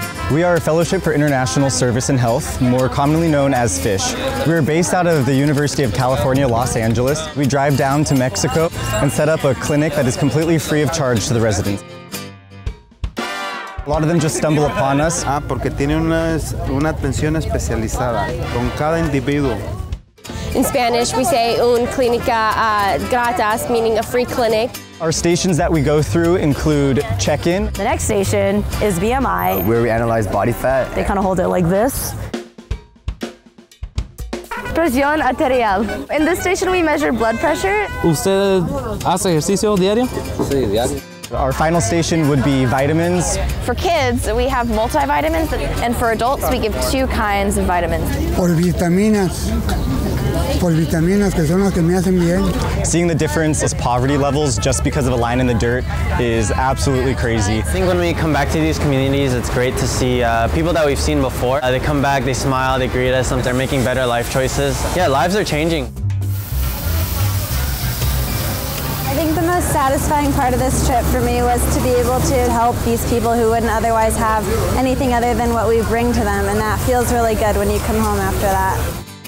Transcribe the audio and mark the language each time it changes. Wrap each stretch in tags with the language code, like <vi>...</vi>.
<en>We are a fellowship for international service and health, more commonly known as FISH. We are based out of the University of California, Los Angeles. We drive down to Mexico and set up a clinic that is completely free of charge to the residents. A lot of them just stumble upon us.</en> <es>Ah, porque tiene una atención especializada con cada individuo.</es> <en>In Spanish, we say</en> <es>un clínica gratis,</es> <en>meaning a free clinic. Our stations that we go through include check-in. The next station is BMI. Where we analyze body fat. They kind of hold it like this.</en> <es>Presión arterial.</es> <en>In this station, we measure blood pressure.</en> <es>¿Usted hace ejercicio diario? Sí, diario.</es> <en>Our final station would be vitamins. For kids, we have multivitamins, and for adults, we give two kinds of vitamins.</en> <es>Por vitaminas, que son las que me hacen bien.</es> <en>Seeing the difference as poverty levels just because of a line in the dirt is absolutely crazy. I think when we come back to these communities, it's great to see people that we've seen before. They come back, they smile, they greet us, and they're making better life choices. Yeah, lives are changing. I think the most satisfying part of this trip for me was to be able to help these people who wouldn't otherwise have anything other than what we bring to them, and that feels really good when you come home after that.</en>